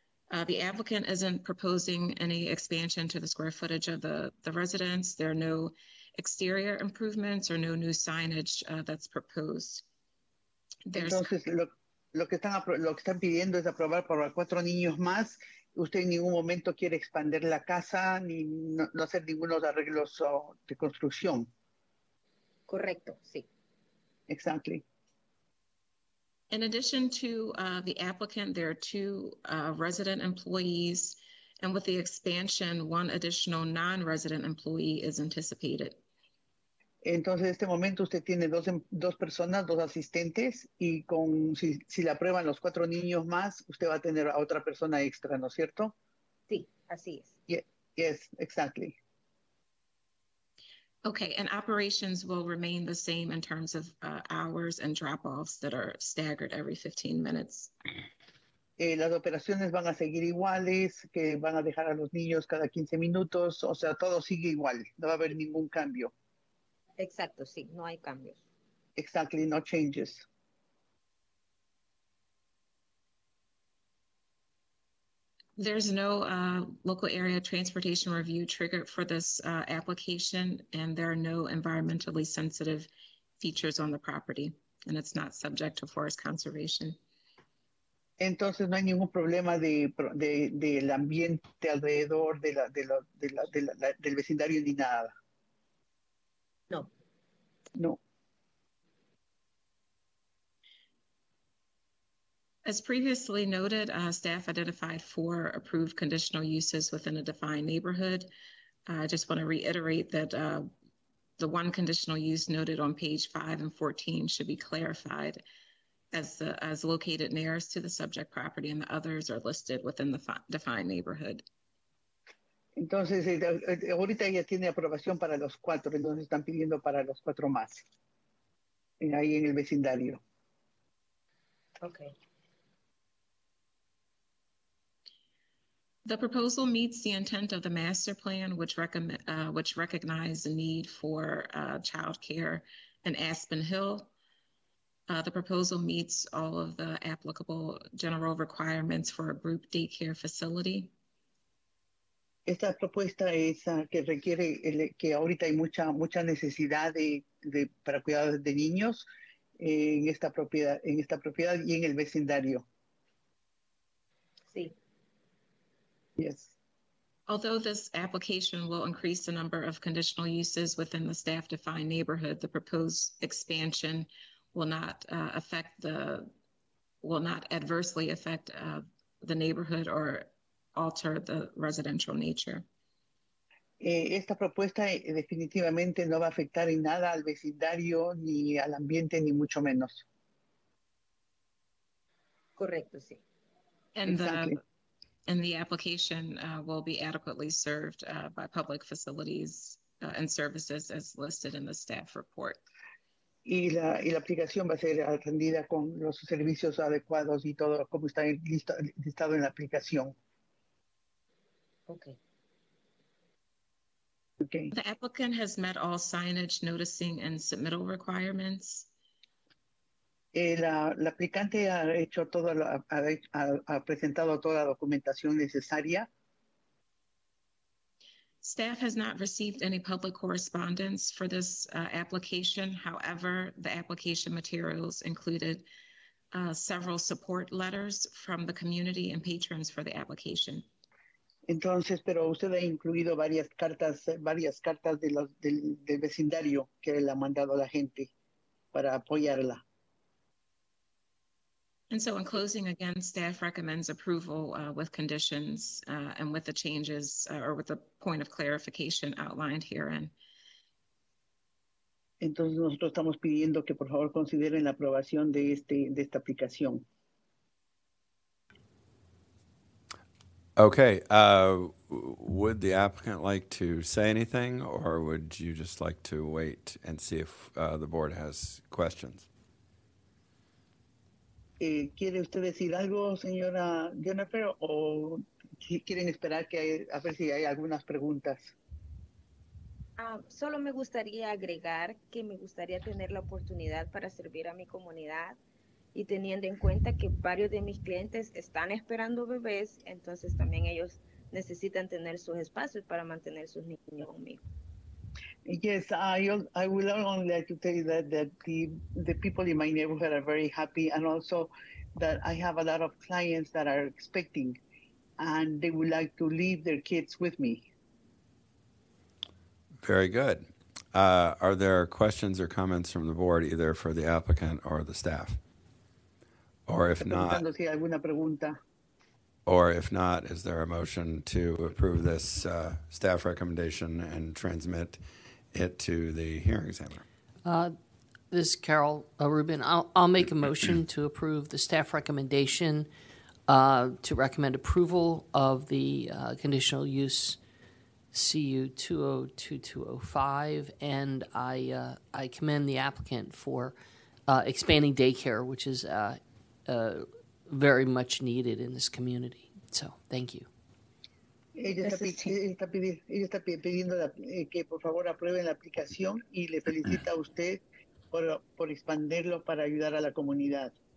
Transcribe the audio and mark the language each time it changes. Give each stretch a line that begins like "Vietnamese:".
English: The applicant isn't proposing any expansion to the square footage of the residence. There are no exterior improvements or no new signage that's proposed.
Spanish: Lo que están pidiendo es aprobar para cuatro niños más. Usted en ningún momento quiere expandir la casa ni no hacer ningunos arreglos de construcción. Correcto, sí.
English: Exactly. In addition to the applicant, there are two resident employees, and with the expansion, one additional non-resident employee is anticipated.
Spanish: Entonces, en este momento, usted tiene dos personas, dos asistentes, y con si la aprueban los cuatro niños más, usted va a tener a otra persona extra, ¿no es cierto? Sí, así es.
English: Yes, exactly. Okay, and operations will remain the same in terms of hours and drop-offs that are staggered every 15 minutes.
Spanish: Las operaciones van a seguir iguales, que van a dejar a los niños cada 15 minutos, o sea, todo sigue igual, no va a haber ningún cambio. Exacto, sí, no hay cambios.
English: Exactly, no changes. There's no local area transportation review trigger for this application, and there are no environmentally sensitive features on the property, and it's not subject to forest conservation.
Spanish: Entonces, no hay ningún problema del ambiente alrededor del vecindario ni nada. No.
English: No. As previously noted, staff identified four approved conditional uses within a defined neighborhood. I just want to reiterate that the one conditional use noted on page 5 and 14 should be clarified as located nearest to the subject property, and the others are listed within the defined neighborhood.
Spanish: Entonces, ahorita ya tiene aprobación para los cuatro, entonces están pidiendo para los cuatro más ahí en el vecindario.
English: Okay. The proposal meets the intent of the master plan, which recognized the need for childcare in Aspen Hill. The proposal meets all of the applicable general requirements for a group daycare facility.
Spanish: Esta propuesta es que requiere que ahorita hay mucha necesidad de para cuidar de niños en esta propiedad y en el vecindario. Sí.
English: Yes. Although this application will increase the number of conditional uses within the staff-defined neighborhood, the proposed expansion will not adversely affect the neighborhood or alter the residential nature.
Spanish: Esta propuesta definitivamente no va a afectar en nada al vecindario ni al ambiente ni mucho menos. Correcto, sí.
English: And the application will be adequately served by public facilities and services as listed in the staff report.
Spanish: Y la aplicación va a ser atendida con los servicios adecuados y todo como está listado en la aplicación.
English: Okay. Okay. The applicant has met all signage, noticing, and submittal requirements.
Spanish: La aplicante ha presentado toda la documentación necesaria.
English: Staff has not received any public correspondence for this application. However, the application materials included several support letters from the community and patrons for the application.
Spanish: Entonces, pero usted ha incluido varias cartas del vecindario que le ha mandado la gente para apoyarla.
English: And so in closing, again, staff recommends approval with conditions and with the changes or with the point of clarification outlined herein.
Spanish: Entonces nosotros estamos pidiendo que por favor consideren la aprobación de esta aplicación.
English: Okay, would the applicant like to say anything, or would you just like to wait and see if the board has questions?
Spanish: ¿Quiere usted decir algo, señora Jennifer, o quieren esperar a ver si hay algunas preguntas? Solo me gustaría agregar que me gustaría tener la oportunidad para servir a mi comunidad, y teniendo en cuenta que varios de mis clientes están esperando bebés, entonces también ellos necesitan tener sus espacios para mantener sus niños conmigo.
English: Yes, I would only like to tell you that the people in my neighborhood are very happy, and also that I have a lot of clients that are expecting, and they would like to leave their kids with me. Very good. Are there questions or comments from the board, either for the applicant or the staff? Or if not, is there a motion to approve this staff recommendation and transmit it to the hearing examiner? This is Carol Rubin. I'll make a motion to approve the staff recommendation to recommend approval of the conditional use CU202205, and I commend the applicant for expanding daycare, which is very much needed in this community. So, thank you.
Spanish: Ella está pidiendo que por favor aprueben la aplicación y le felicita a usted por expandirlo para ayudar a la comunidad.